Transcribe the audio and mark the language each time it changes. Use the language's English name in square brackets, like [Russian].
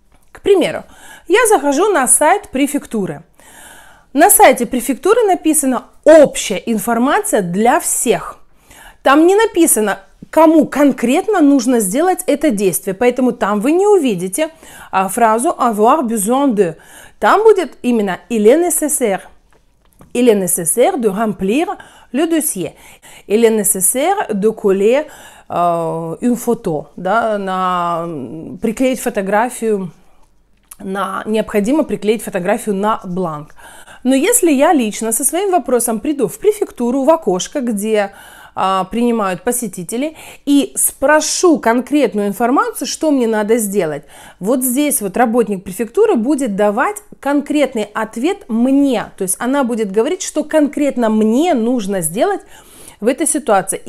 [Russian] К примеру, я захожу на сайт префектуры. На сайте префектуры написано «Общая информация для всех». Там не написано, кому конкретно нужно сделать это действие, поэтому там вы не увидите фразу [French] «avoir besoin de». [Russian] Там будет именно [French] «il est necessaire». «Il est necessaire de remplir le dossier». «Il est necessaire de coller». Une photo, [Russian] да, на приклеить фотографию на необходимо приклеить фотографию на бланк. Но если я лично со своим вопросом приду в префектуру в окошко, где принимают посетители, и спрошу конкретную информацию, что мне надо сделать, вот здесь вот работник префектуры будет давать конкретный ответ мне, то есть она будет говорить, что конкретно мне нужно сделать в этой ситуации.